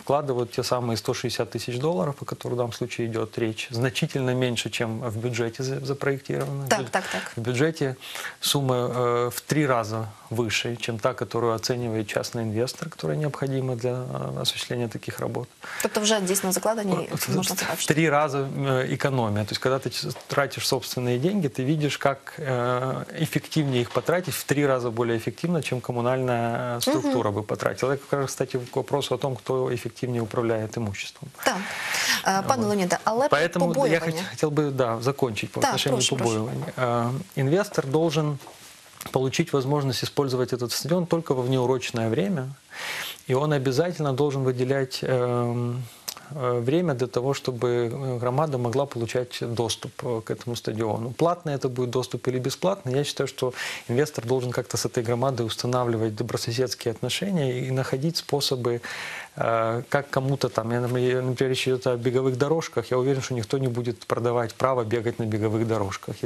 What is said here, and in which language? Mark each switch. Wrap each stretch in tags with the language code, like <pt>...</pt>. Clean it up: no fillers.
<ru>Вкладывают те самые 160 тысяч долларов, о которых в данном случае идет речь, значительно меньше, чем в бюджете запроектировано. Так. В бюджете сумма в три раза выше, чем та, которую оценивает частный инвестор, которая необходима для осуществления таких работ.</ru> <uk>Тобто вже дійсно закладені, можна сказати, в три рази економія. Тобто, коли ти тратиш собственні гроші, ти бачиш, як ефективніше їх потратити, в три рази більш ефективно, ніж комунальна структура би потратила. Це, якраз,</uk> <ru>кстати, вопрос о том,</ru> <uk>хто ефективніше управляє имуществом. Так. Пане Леоніде, але побоювання. Тому я хотів би, да, закінчити по отношению побоювання.</uk> <ru>Інвестор должен получить возможность использовать этот стадион только во внеурочное время, и он обязательно должен выделять время для того, чтобы громада могла получать доступ к этому стадиону. Платный это будет доступ или бесплатный, я считаю, что инвестор должен как-то с этой громадой устанавливать добрососедские отношения и находить способы, как кому-то там, например, речь идет о беговых дорожках, я уверен, что никто не будет продавать право бегать на беговых дорожках.</ru>